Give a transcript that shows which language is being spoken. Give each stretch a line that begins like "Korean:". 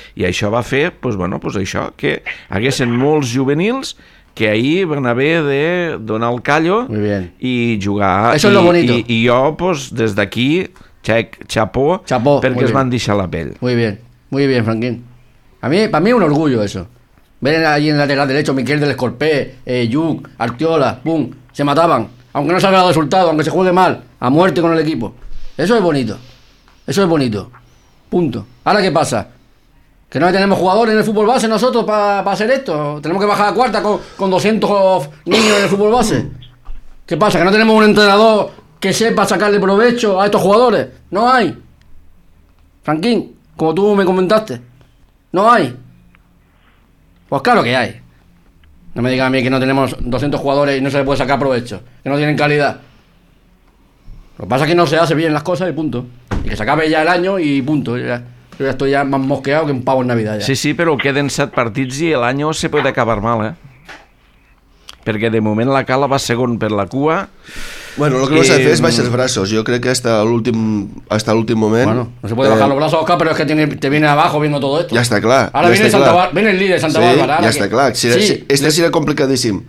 Catalan: I això va fer, pues bueno, pues això, que haguessin molts juvenils que ahir van haver de donar el callo i jugar.
Spanish: Eso es lo bonito.
Catalan: I jo, pues, des d'aquí, chapó, perquè es van deixar la pell.
Spanish: Muy bien, Franquín. Para mí es un orgullo eso. Ver allí en el lateral derecho, Miquel del Escorpé, Lluc, Artiola, pum, se mataban. Aunque no salga el resultado, aunque se juegue mal, a muerte con el equipo. Eso es bonito. Eso es bonito. Punto. ¿Ahora qué pasa? ¿Que no tenemos jugadores en el fútbol base nosotros para hacer esto? ¿Tenemos que bajar a cuarta con 200 niños en el fútbol base? ¿Qué pasa? ¿Que no tenemos un entrenador que sepa sacarle provecho a estos jugadores? No hay. Franquín, como tú me comentaste, no hay. Pues claro que hay. No me digan a mí que no tenemos 200 jugadores y no se les puede sacar provecho, que no tienen calidad. Lo que pasa es que no se hacen bien las cosas y punto. Y que se acabe ya el año y punto. Yo ya estoy ya más mosqueado que un pavo en Navidad ya. Sí, pero queden 7 partidos y el año se puede acabar mal, ¿eh?
Catalan: perquè de moment la Cala va segon per la cua. Bueno,
Spanish: lo que no se hace es
Catalan: baixar els braços. Jo crec que hasta l'últim moment...
Spanish: Bueno, no se puede bajar los brazos, Oscar, pero es que te viene abajo viendo todo esto. Ya está claro. Ahora viene, viene el líder, Santa Bárbara. Sí, ahora ya está que... claro. Este sería complicadíssim.